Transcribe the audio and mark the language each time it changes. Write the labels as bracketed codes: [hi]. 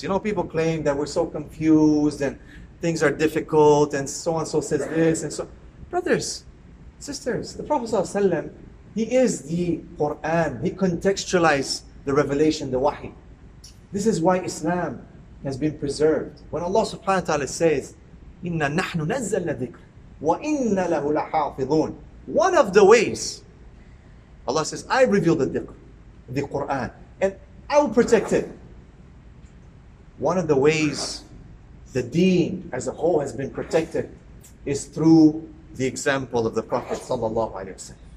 [en] People claim that we're so confused and things are difficult and so says this and so. Brothers, sisters, the Prophet ﷺ, he is the Qur'an. He contextualized the revelation, the wahi. This is why Islam has been preserved. When Allah subhanahu wa ta'ala says, [ar] إِنَّا نَحْنُ نَزَّلْنَا ذِكْرِ وَإِنَّ لَهُ لَحَافِظُونَ. [en] One of the ways, Allah says, I reveal the dhikr, the Qur'an, and I will protect it. One of the ways the deen as a whole has been protected is through the example of the Prophet sallallahu alaihi wasallam.